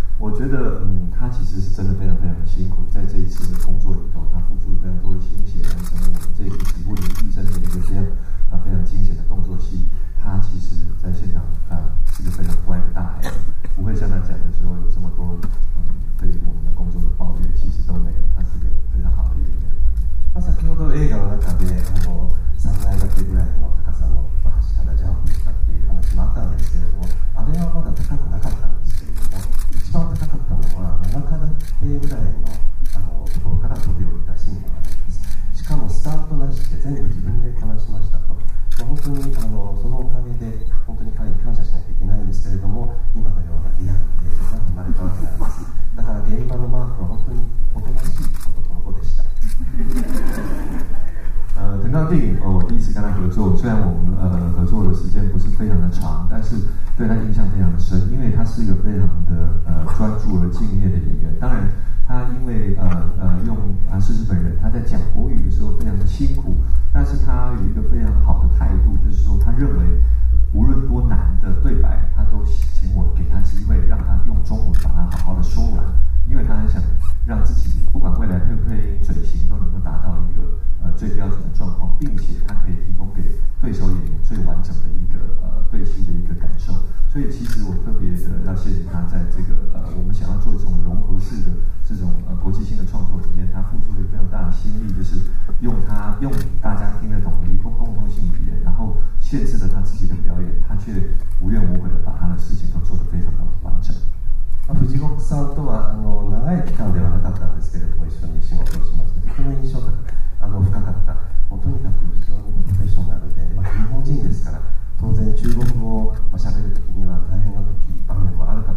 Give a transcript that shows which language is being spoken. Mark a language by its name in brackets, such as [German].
[Chinese] 我觉得他其实是真的非常非常的辛苦，在这一次的工作里头，他付出了非常多的心血，完成了我们这一部不离地震的一个这样非常惊险的动作戏。他其实在现场是个非常乖的大孩子，不会像他讲的时候有这么多对我们的工作的抱怨，其实都没有，他是个非常好的演员。 [Japanese] まあ先ほど映画の中で三階建てぐらいの高さの端からジャンプしたっていう話もあったんですけれども、あれはまだ高くなかったんですけれども、一番高かったのは7階建てぐらいのところから飛び降りたシーンがあるんです。しかもスタントなしで全部自分でこなしましたと。まあ、本当にそのおかげで本当に彼に感謝しなきゃいけないんですけれども、今のようなリアルな映像が生まれたわけなんです。だから現場のマークは本当におとなしい男の子でした。 [Chinese] 腾刚电影，我第一次跟他合作，虽然我们合作的时间不是非常的长，但是对他印象非常的深，因为他是一个非常的专注而敬业的演员。当然，他因为用他是日本人，他在讲国语的时候非常的辛苦，但是他有一个非常好的态度，就是说他认为无论多难的对白，他都请我给他机会，让他用中文把它好好的说完，因为他很想让自己不管未来配不配音嘴型都能够达到一个最标准的状况，并且他可以提供给对手演员最完整的一个对戏的一个感受。所以其实我特别的要谢谢他，在这个我们想要做这种融合式的这种国际性的创作里面，他付出了非常大的心力，就是用大家听得懂的一个共通性语言，然后限制了他自己的表演，他却无怨无悔的把他的事情都做得非常的完整。 [Japanese] 藤子さんとは長い期間ではなかったんですけれども、一緒に仕事をしました。とても印象が深かった。もうとにかく非常にプロフェッショナルで、まあ、日本人ですから、当然中国語を喋るときには大変な時、場面もあ